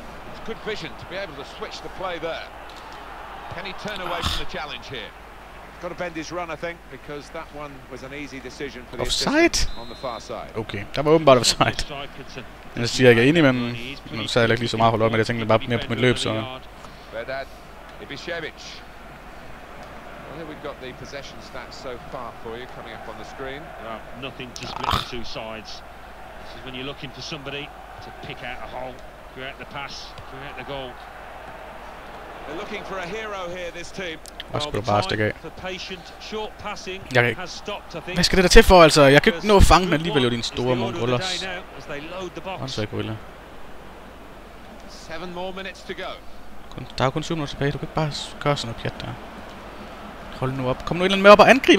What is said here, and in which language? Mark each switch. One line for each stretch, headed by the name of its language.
English: It's good vision to be able to switch the play there. Can he turn away from the challenge here? He's got to bend his run, I think, because that one was an easy decision for the offside on the far side.
Danish: Okay, der var åbenbart offside. Jeg siger ikke, jeg er enig, men nu sad jeg ikke lige så meget holdt op med det. Jeg tænkte bare mere på mit løb, så. Vedad Ibišević.
English: Here we've got the possession stats so far for you coming up on the screen. Nothing to split the two sides. This is when you're looking for somebody to pick out a hole, create the pass, create the goal. They're looking for a hero here, this team. Well, the time for patient short passing has stopped, I think.
Danish: Hvad skal det der til for, altså? Jeg kan ikke nå at fange den alligevel, jo din store mongolos.
English: Seven more minutes to go.
Danish: Der er kun 7 minutter tilbage. Du kan ikke bare gøre sådan noget pjat der. Hold nu op. Kom nu et eller andet med op og angribe.